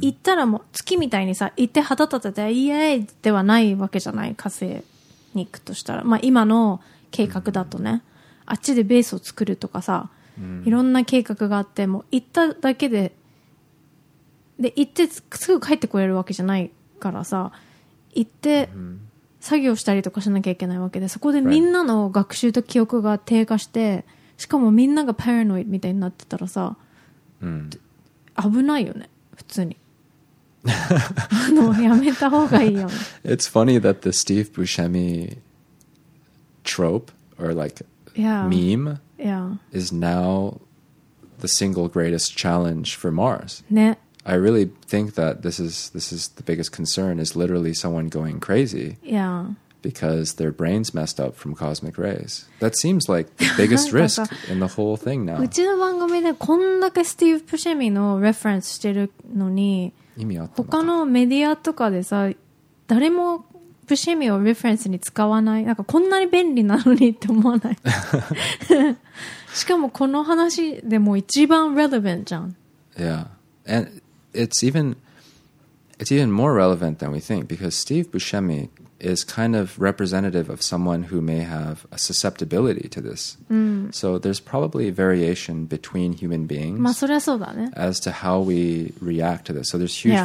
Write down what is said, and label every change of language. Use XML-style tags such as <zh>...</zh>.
<ja>行ったらもう月みたいにさ行って旗立ててイエーイではないわけじゃない火星に行くとしたらまあ今の計画だとね、mm. あっちでベースを作るとかさ、mm. いろんな計画があっても行っただけでで行ってすぐ帰ってこれるわけじゃないからさ行って、mm. 作業したりとかしなきゃいけないわけでそこでみんなの学習と記憶が低下してしかもみんながパラノイドみたいになってたらさ、うん、危ないよね普通にやめた方がいいよね</ja> <en>It's funny that the Steve Buscemi trope or like yeah. meme yeah. is now the single greatest challenge for Mars</en> <ja>ね。</ja> <en>I really think that this is the biggest concern is literally someone going crazy. Yeah. Because their brain's messed up from cosmic rays. That seems like the biggest risk in the whole thing now.</en> <ja>うちの番組でこんだけスティーブ・プシェミのレファレンスしてるのに意味あったのか他のメディアとかでさ誰もプシェミをレファレンスに使わないなんかこんなに便利なのにって思わないしかもこの話でも一番 relevant じゃん</ja> <en>Yeah. AndIt's even more relevant than we think because Steve Buscemi is kind of representative of someone who may have a susceptibility to this.、 Mm. So there's probably variation between human beings、</en> <ja>まあ、それはそうだね、</ja> <en>as to how we react to this. So there's huge、yeah.</en>